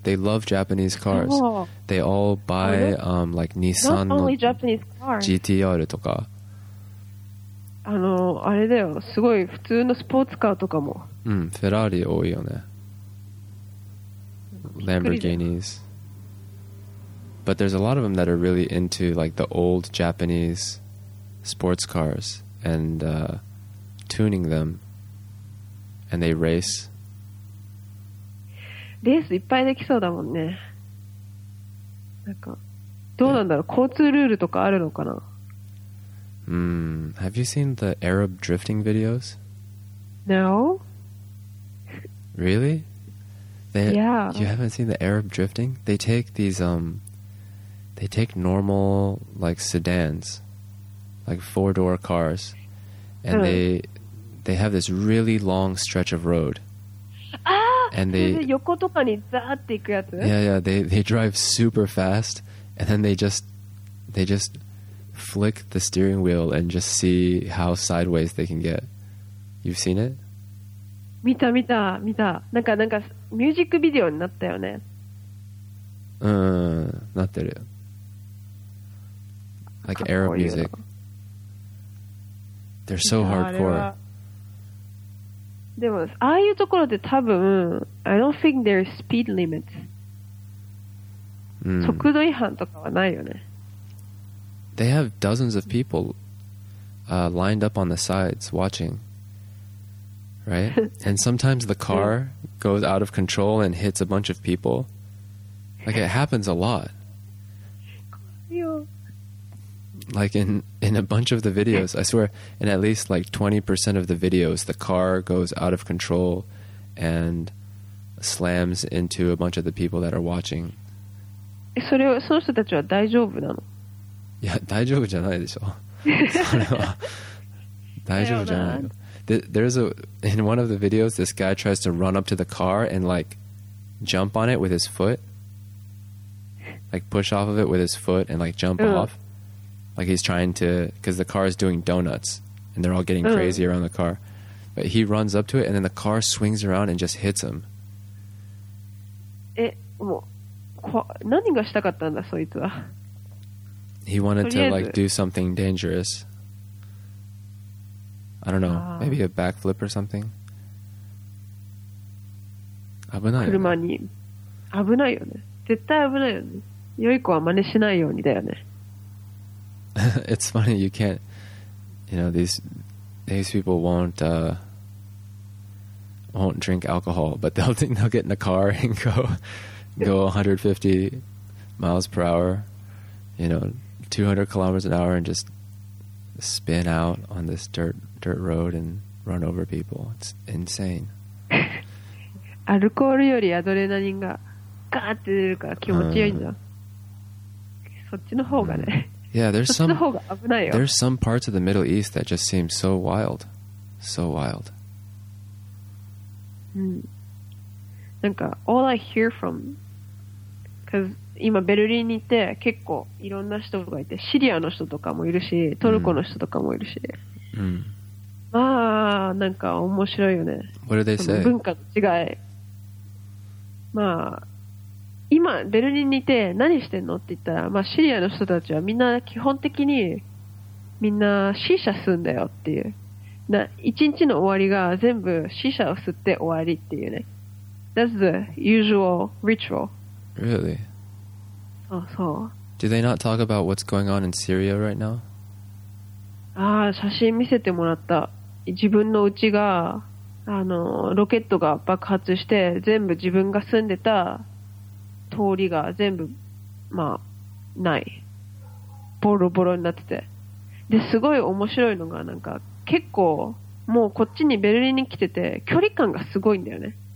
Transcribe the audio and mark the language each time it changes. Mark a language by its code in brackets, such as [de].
[en] They love Japanese cars. They all buy like Nissan [ja] の GTR とか。あのあれだよ、すごい普通のスポーツカーとかも、うん、フェラーリ多いよね、ランボルギーニーズ。 [en] But there's a lot of them that are really into like the old Japanese sports cars and tuning them and they race. [ja] レースいっぱいできそうだもんね。なんかどうなんだろう、交通ルールとかあるのかな。 [en] Have you seen the Arab drifting videos? No. Really? Yeah. You haven't seen the Arab drifting? They take these, they take normal, like, sedans, like four-door cars, and they have this really long stretch of road. And they, [ja] 横とかにザーって行くやつ? [en] Yeah, they drive super fast, and then they just flick the steering wheel and just see how sideways they can get. You've seen it? [ja] 見た見た見た。なんかミュージックビデオになったよね。うん、なってる。 [en] Like Arab music. They're so hardcore. [ja] でもああいうところで多分 [en] I don't think there's speed limit. [ja] 速度違反とかはないよね。 [en] They have dozens of people lined up on the sides watching, right? And sometimes the car goes out of control and hits a bunch of people. Like, it happens a lot. Like, in a bunch of the videos, I swear, in at least like 20% of the videos, the car goes out of control and slams into a bunch of the people that are watching. [ja] その人たちは大丈夫なの? いや大丈夫じゃないでしょ。それは大丈夫じゃないの。 [en] There's a in one of the videos, this guy tries to run up to the car and like jump on it with his foot, like push off of it with his foot and like jump off, like he's trying to, because the car is doing donuts and they're all getting crazy around the car. But he runs up to it and then the car swings around and just hits him. [ja] もう何がしたかったんだそいつは。 [en] He wanted to like do something dangerous. I don't know, maybe a backflip or something. [ja] 危ないよね。車に危ないよね。絶対危ないよね。良い子は真似しないようにだよね。 [en] It's funny, you can't, you know, these people won't drink alcohol, but they'll get in a car and go 150 miles per hour, you know. 200 kilometers an hour and just spin out on this dirt road and run over people. It's insane. [ja] アルコールよりアドレナリンがガーって出るから気持ちよいんだ。そっちの方がね。 [en] Yeah, there's [ja] そっちの方が危ないよ。 [en] There's some parts of the Middle East that just seem so wild. So wild. うん。なんか、all I hear from... [ja] 今ベルリンにいて結構いろんな人がいて、シリアの人とかもいるし、トルコの人とかもいるし、まあなんか面白いよね。 [en] What do they say? [ja] 文化の違い。まあ今ベルリンにいて何してんのって言ったら、まあシリアの人たちはみんな基本的にみんなシーシャすんだよっていう、な一日の終わりが全部シーシャを吸って終わりっていうね。 [en] That's the usual ritual. Really? [ja] そうそう。 [en] Do they not talk about what's going on in Syria right now? [ja] ああ、写真見せてもらった。自分の家が、ロケットが爆発して、全部自分が住んでた通りが全部、まあ、ない。ボロボロになってて。で、すごい面白いのが、なんか、結構、もうこっちにベルリンに来てて、距離感がすごいんだよね。